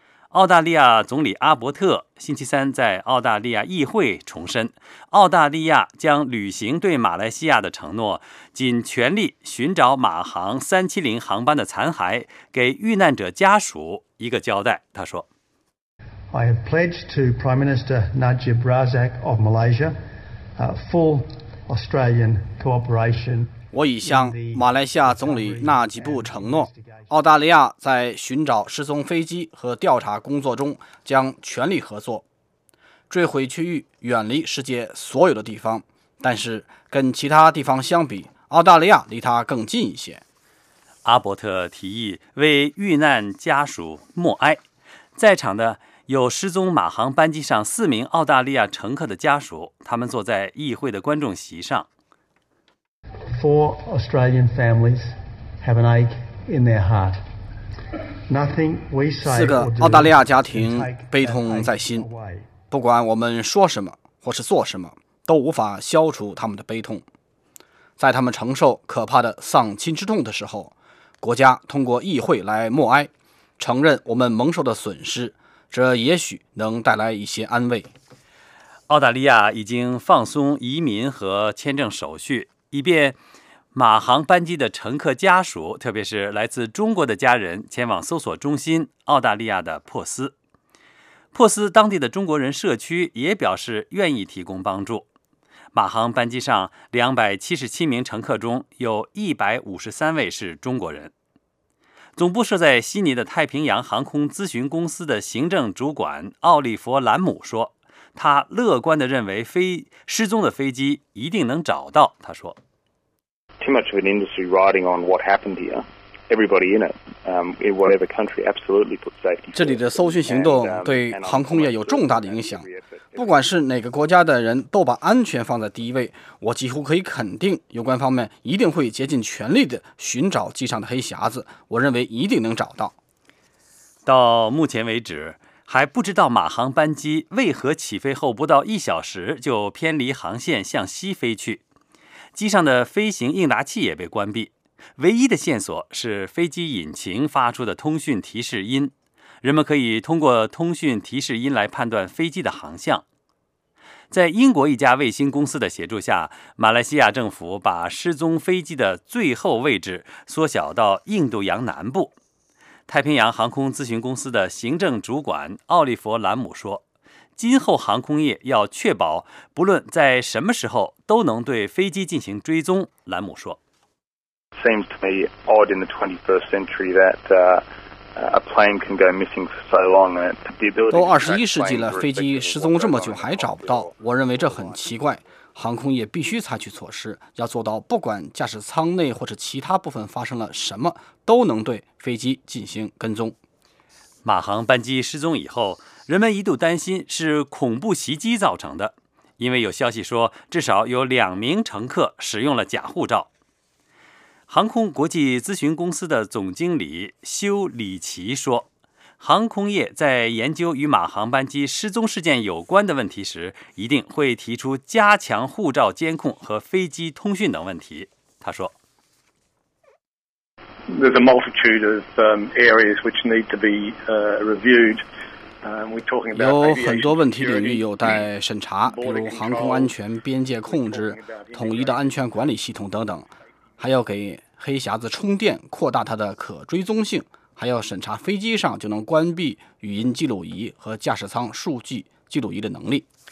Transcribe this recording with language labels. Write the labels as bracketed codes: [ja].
[zh] 澳大利亚总理阿伯特星期三在澳大利亚议会重申，澳大利亚将履行对马来西亚的承诺，尽全力寻找马航370航班的残骸，给遇难者家属一个交代。他说， [en] I have pledged to Prime Minister Najib Razak of Malaysia full Australian cooperation。 [zh] 我已向马来西亚总理纳吉布承诺，澳大利亚在寻找失踪飞机和调查工作中将全力合作。坠毁区域远离世界所有的地方，但是跟其他地方相比，澳大利亚离它更近一些。阿伯特提议为遇难家属默哀，在场的有失踪马航班机上4名澳大利亚乘客的家属，他们坐在议会的观众席上。 [en] Four Australian families have an ache in their heart. Nothing we say or do. [zh] 4个澳大利亚家庭悲痛在心，不管我们说什么或是做什么，都无法消除他们的悲痛。在他们承受可怕的丧亲之痛的时候，国家通过议会来默哀，承认我们蒙受的损失，这也许能带来一些安慰。澳大利亚已经放松移民和签证手续，以便马航班机的乘客家属，特别是来自中国的家人，前往搜索中心澳大利亚的珀斯。珀斯当地的中国人社区也表示愿意提供帮助。马航班机上277名乘客中，有153位是中国人。总部设在悉尼的太平洋航空咨询公司的行政主管奥利弗·兰姆说，他乐观地认为失踪的飞机一定能找到。他说 [en] Too much of an industry riding on what happened here. Everybody in it, in whatever country, absolutely put safety first. [zh] 这里的搜寻行动对航空业有重大的影响，不管是哪个国家的人都把安全放在第一位。我几乎可以肯定有关方面一定会竭尽全力地寻找机上的黑匣子，我认为一定能找到。到目前为止还不知道马航班机为何起飞后不到一小时就偏离航线向西飞去，机上的飞行应答器也被关闭，唯一的线索是飞机引擎发出的通讯提示音，人们可以通过通讯提示音来判断飞机的航向。在英国一家卫星公司的协助下，马来西亚政府把失踪飞机的最后位置缩小到印度洋南部。太平洋航空咨询公司的行政主管奥利弗·兰姆说，今后航空业要确保不论在什么时候都能对飞机进行追踪。兰姆说 [en] Seems to me odd in the 21st century that a plane can go missing for so long. [zh] 都21世纪了，飞机失踪这么久还找不到，我认为这很奇怪。航空业必须采取措施，要做到不管驾驶舱内或者其他部分发生了什么，都能对飞机进行跟踪。马航班机失踪以后，人们一度担心是恐怖袭击造成的，因为有消息说至少有2名乘客使用了假护照。航空国际咨询公司的总经理修里奇说，航空业在研究与马航班机失踪事件有关的问题时，一定会提出加强护照监控和飞机通讯等问题。他说 [en] There's a multitude of areas which need to be reviewed. We're talking about [zh] 有很多问题领域有待审查，比如航空安全、边界控制、统一的安全管理系统等等，还要给黑匣子充电，扩大它的可追踪性。还要审查飞机上就能关闭语音记录仪和驾驶舱数据记录仪的能力。